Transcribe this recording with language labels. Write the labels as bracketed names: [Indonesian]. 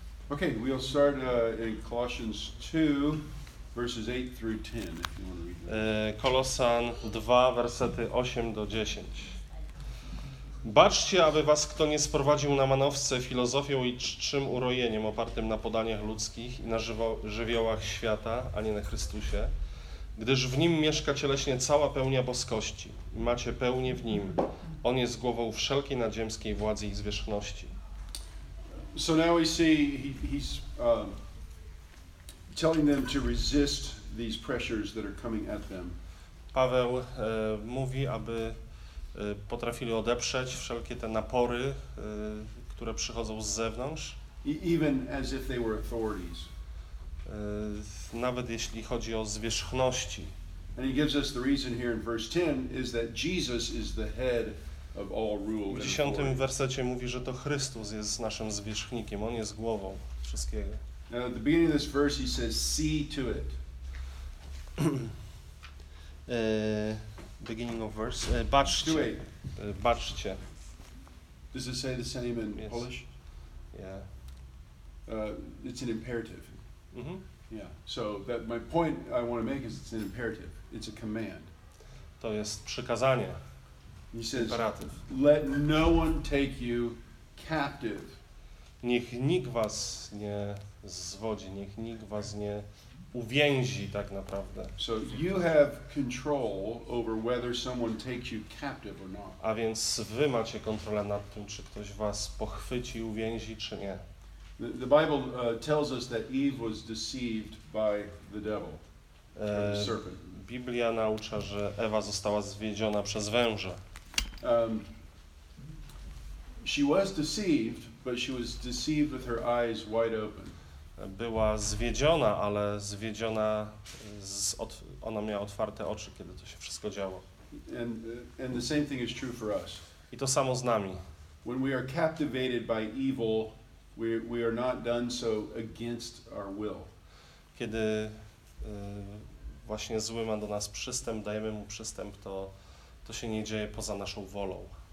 [English] Okay, we'll start in Colossians 2, verses 8 through 10, if you want to read that. [Polish] Kolosan 2, wersety 8 do 10. Baczcie, aby was kto nie sprowadził na manowce filozofią i czczym urojeniem opartym na podaniach ludzkich i na żywiołach świata, a nie na Chrystusie, gdyż w nim mieszka cieleśnie cała pełnia boskości i macie pełnię w nim. On jest głową wszelkiej nadziemskiej władzy i zwierzchności. [English] So now we see he's telling them to resist these pressures that are coming at them. [Polish] Paweł mówi, aby potrafili odeprzeć wszelkie te napory, które przychodzą z zewnątrz. [English] Even as if they were authorities. [Polish] Nawet jeśli chodzi o zwierzchności. [English] And he gives us the reason here in verse 10 is that Jesus is the head of all rule. [Polish] W 10 wersecie mówi, że to Chrystus jest naszym zwierzchnikiem, on jest głową wszystkiego. [English] Now at the beginning of this verse he says see to it. Beginning of verse. [Polish] Baczcie. Baczcie. [English] Does it say the same in yes. Polish? Yeah. It's an imperative. Mm-hmm. Yeah. So that my point I want to make is it's an imperative. It's a command. [Polish] To jest przykazanie. [English] He says, imperatyw. Let no one take you captive. [Polish] Niech nikt was nie zwodzi, niech nikt was nie uwięzi tak naprawdę. [English] So you have control over whether someone takes you captive or not. [Polish] A więc wy macie kontrolę nad tym, czy ktoś was pochwyci, uwięzi, czy nie. [English] The Bible tells us that Eve was deceived by the devil, the serpent. [Polish] Biblia naucza, że Ewa została zwiedziona przez węża. [English] She was deceived, but she was deceived with her eyes wide open. [Polish] Była zwiedziona, ale zwiedziona, ona miała otwarte oczy, kiedy to się wszystko działo. [English] And the same thing is true for us. [Polish] I to samo z nami. [English] When we are captivated by evil, we are not done so against our will. [Polish] Kiedy właśnie zły ma do nas przystęp, dajemy mu przystęp, to się nie dzieje poza naszą wolą.